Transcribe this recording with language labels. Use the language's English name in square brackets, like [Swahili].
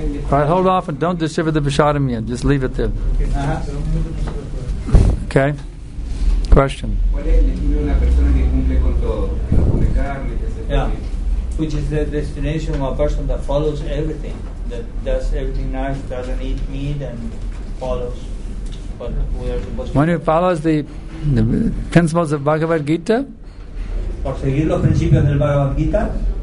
[English] All right, hold off and don't deliver the Vishadam yet. Just leave it there. Okay. Question. [Spanish] ¿Cuál es el destino de una persona que cumple con todo? Que cumple carne, que se cumple. [English] Which is the destination of a person that follows everything, that does everything nice, doesn't eat meat, and follows what we are supposed to do. One who follows the principles of Bhagavad Gita, [Spanish] por seguir los principios del Bhagavad Gita,